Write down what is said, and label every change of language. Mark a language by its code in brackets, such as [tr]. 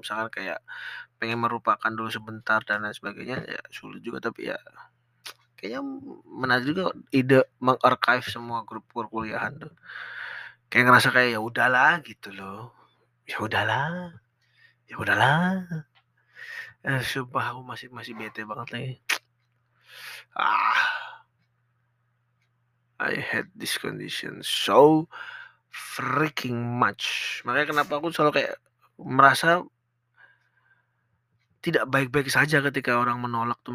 [id] Kalau misalkan kayak pengen merupakan dulu sebentar dan lain sebagainya ya sulit juga, tapi ya kayaknya menarik juga ide mengarchive semua grup perkuliahan tuh. Kayak ngerasa kayak ya udahlah gitu loh, ya udahlah. Sumpah aku masih bete banget nih. [en] I hate this condition so freaking much. [id] Makanya kenapa aku selalu kayak merasa tidak baik-baik saja ketika orang menolak tuh.